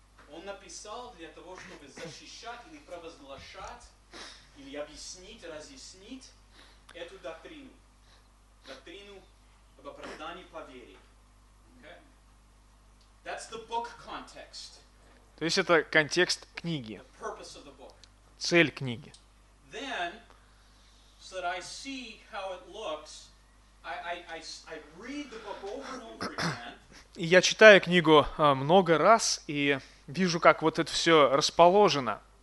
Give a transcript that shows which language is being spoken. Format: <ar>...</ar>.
<ru>Он написал для того, чтобы защищать или провозглашать, или объяснить, разъяснить эту доктрину. Доктрину об оправдании по вере.</ru> <en>Okay? That's the book context.</en> <ru>То есть это контекст книги.</ru> <en>The purpose of the book.</en> <ru>Цель книги.</ru> <en>Then, so that I see how it looks, I read the book over and over again.</en> <ru>И я читаю книгу много раз, и вижу, как вот это все расположено.</ru>